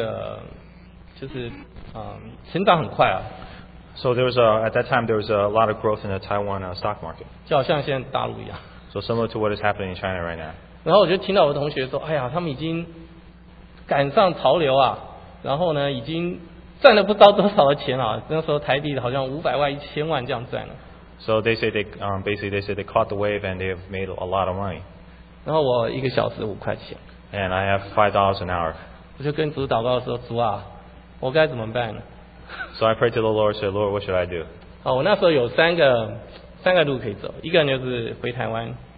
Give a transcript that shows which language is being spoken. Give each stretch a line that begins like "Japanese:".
Chinese: 然后呢，那时候台湾的那个刚好那个他们那个市场股票市场非常的那个就是成长很快啊。
English: So there was a, at that time there was a lot of growth in the Taiwan stock market.
Chinese: 就好像现在大陆一样。
English: So similar to what is happening in China right now.
Chinese: 然后我就听到我的同学说，哎呀，他们已经赶上潮流啊，然后呢，已经赚了不知道多少的钱啊。那时候台币好像500万、1000万这样赚了。
English: So they say they basically they say they caught the wave and they have made a lot of money.
Chinese: 然后我一个小时5块钱。
English: And I have $5 an hour.
Chinese: 我就跟主祷告说，主啊，我该怎么办呢？
English: So I prayed to the Lord, said, Lord, what should I do?
Chinese: 好，我那时候有三个路可以走，一个就是回台湾。